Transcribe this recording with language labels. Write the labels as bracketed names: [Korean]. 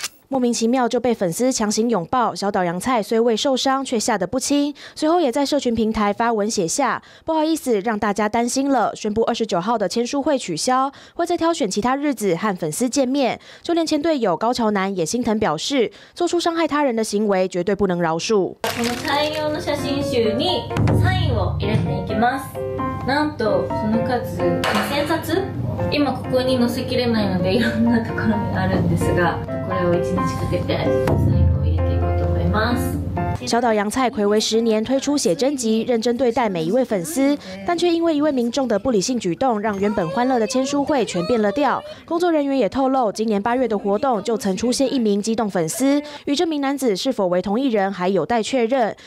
[Chinese] 莫名其妙就被粉丝强行拥抱，小岛洋菜虽未受伤，却吓得不轻，随后也在社群平台发文写下：“不好意思，让大家担心了，宣布29号的签书会取消，会再挑选其他日子和粉丝见面。” 就连前队友高桥南也心疼，表示做出伤害他人的行为绝对不能饶恕。我们大量的 [Japanese] 写真集にサインを入れていきます。なんとその数2000冊、今ここに載せきれないのでいろんなところにあるんですが、これを1日かけて最後入れていこうと思います。 [Chinese] 小岛洋菜暌违10年推出写真集，认真对待每一位粉丝，但却因为一位民众的不理性举动，让原本欢乐的签书会全变了调。工作人员也透露，今年8月的活动就曾出现一名激动粉丝，与这名男子是否为同一人还有待确认。